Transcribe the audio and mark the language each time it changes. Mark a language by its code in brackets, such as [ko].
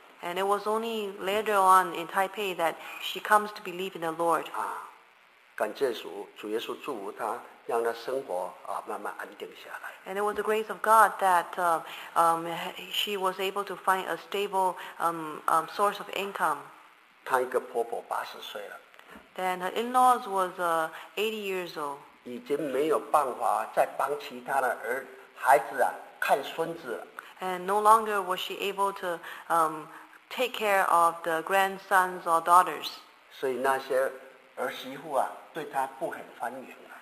[en] And it was only later on in Taipei that she comes to believe in the Lord. [zh] 啊，感谢主，主耶稣祝福她，让她生活啊慢慢安定下来。 [en] And it was the grace of God that she was able to find a stable source of income. [zh] 她一个婆婆八十岁了。 [en] Then her in-laws was 80 years old. [zh] 已经没有办法再帮其他的孩子啊看孙子了。 [en] And no longer was she able to take care of the grandsons or daughters. [zh] 所以那些儿媳妇啊对她不很欢迎。